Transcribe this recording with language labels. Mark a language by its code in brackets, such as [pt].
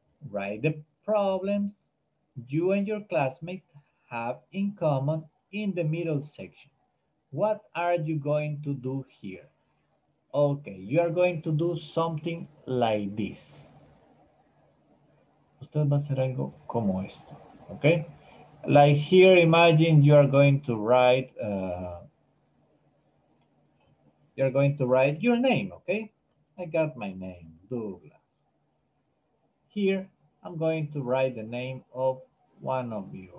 [en] Write the problems you and your classmates have in common in the middle section. What are you going to do here? Okay, you are going to do something like this. [es] Usted va a hacer algo como esto, okay? [en] Like here, imagine you are going to write your name, okay? I got my name, Douglas. Here, I'm going to write the name of one of you.